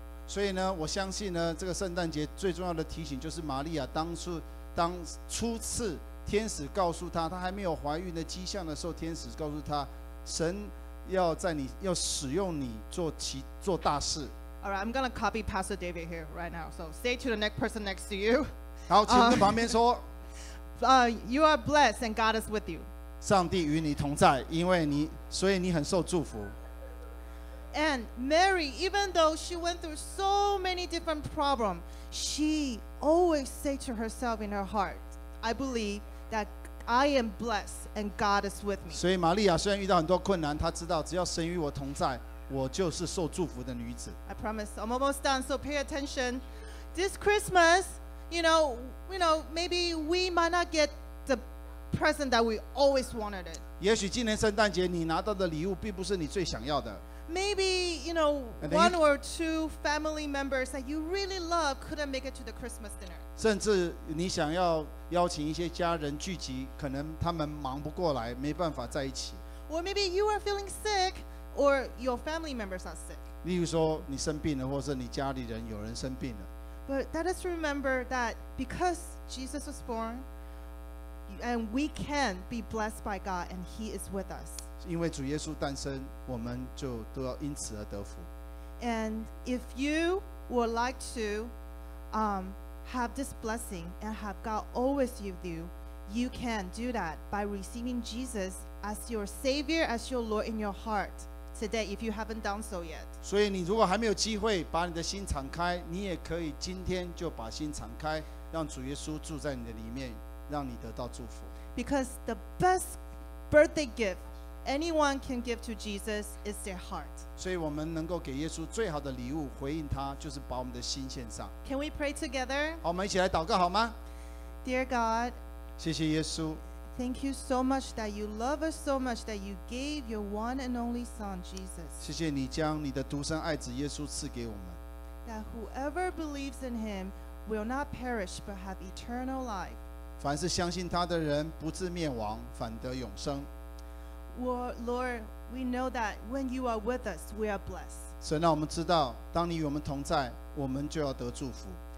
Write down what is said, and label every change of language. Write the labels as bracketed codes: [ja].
[zh] 所以呢, 我相信呢, 这个圣诞节最重要的提醒就是玛利亚当初初次天使告诉她, 她还没有怀孕的迹象的时候, 天使告诉她, 神要在你, 要使用你, 做其, 做大事。 [en] All right, I'm going to copy Pastor David here right now. So say to the next person next to you. [zh] 好, 请问旁边说, [en] you are blessed and God is with you. [zh] 上帝与你同在, 因为你, 所以你很受祝福。 [en] And Mary, even though she went through so many different problems, she always said to herself in her heart, I believe that I am blessed and God is with me. [zh] 所以玛利亚虽然遇到很多困难, 她知道只要神与我同在, 我就是受祝福的女子。 [en] I promise, I'm almost done, so pay attention. This Christmas, you know, maybe we might not get the present that we always wanted it. [zh] 也许今年圣诞节你拿到的礼物并不是你最想要的。 [en] Maybe, you know, one or two family members that you really love couldn't make it to the Christmas dinner. [zh] 甚至你想要邀请一些家人聚集, 可能他们忙不过来, 没办法在一起。 [en] Or maybe you are feeling sick, or your family members are sick. [zh] 例如说你生病了, 或是你家里人有人生病了。 [en] But let us remember that because Jesus was born, and we can be blessed by God, and He is with us. [zh] 因为主耶稣诞生, 我们就都要因此而得福。 [en] And if you would like to have this blessing and have God always with you, you can do that by receiving Jesus as your Savior, as your Lord in your heart. today if you haven't done so yet. [zh] 所以你如果还没有机会把你的心敞开，你也可以今天就把心敞开，让主耶稣住在你的里面，让你得到祝福。 [en] Because the best birthday gift anyone can give to Jesus is their heart. [zh] 所以我们能够给耶稣最好的礼物，回应他，就是把我们的心献上。 [en] Can we pray together? [zh] 好，我们一起来祷告好吗？ [en] Dear God, [zh] 谢谢耶稣。 [en] Thank you so much that you love us so much that you gave your one and only Son, Jesus. [zh] 谢谢你将你的独生爱子耶稣赐给我们。 [en] That whoever believes in him will not perish but have eternal life. [zh] 凡是相信他的人不至灭亡，反得永生。 [en] Lord, we know that when you are with us, we are blessed. [zh] 神啊，我们知道当你与我们同在，我们就要得祝福。